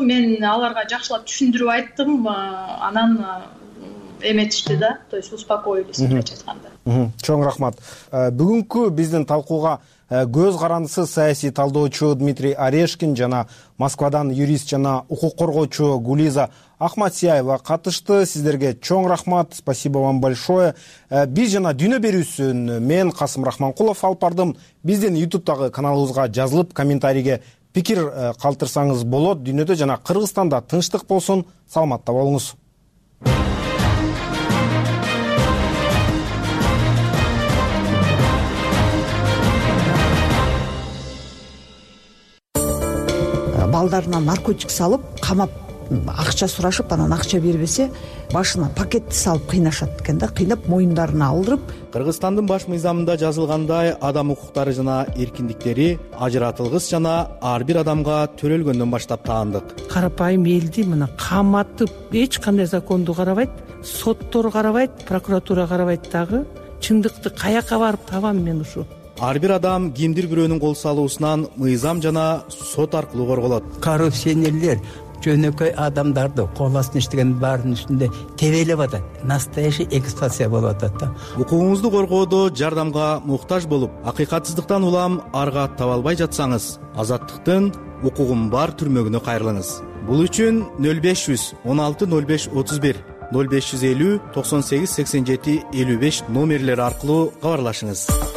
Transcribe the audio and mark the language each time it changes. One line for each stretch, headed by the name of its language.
Kyrgyz: Мен аларга жакшылап түшүндүрүп айттым, анан эметишти да,
Russian: то есть успокоились
Kyrgyz: деп айтканда. Чоң рахмат. Бүгүнкү биздин талкууга көз карандысы саясий талдоочу Дмитрий Орешкин жана Москвадан юрист жана укук коргоочу Гулиза Ахматсияева катышты. Сиздерге чоң рахмат,
Russian: спасибо вам большое.
Kyrgyz: Биз жана дүйнө берүүсүн мен Касым Рахманкулов алып бардым. Биздин ютубтагы каналыбызга жазылып, комментарийге пикир калтырсаңыз болот. Дүйнөдө жана Кыргызстанда тынчтык болсун, саламатта болуңуз. Балдарына наркотик салып камап акча сурашып, анан акча бербесе башына пакетти салып кыйнашат экен да, кыйнап моюндарына алдырып. Кыргызстандын баш мыйзамында жазылгандай, адам укуктары жана эркиндиктери ажыратылгыс жана ар бир адамга төрөлгөндөн баштап таандык. Карапайым элди мына каматып эч кандай законду карабайт, соттор карабайт, прокуратура карабайт дагы. Чындыкты каяка барып табам мен ушу? Ар бир адам кимдир бирөөнүн кол салуусунан мыйзам жана сот аркылуу корголот. Коррупционерлер жөнөкөй адамдарды кол астына иштеген баардын үстүндө тебелеп атат.
Russian: Настоящий эксплуатация
Kyrgyz: болуп атат да. Укугуңузду коргоодо жардамга муктаж болуп, акыйкатсыздыктан улам арга табалбай жатсаңыз, азаттыктын укугун бар түрмөгүнө кайрылыңыз. Бул үчүн 0500 16 05 31, 0550 98 57 55 номерлери аркылуу кабарлашыңыз.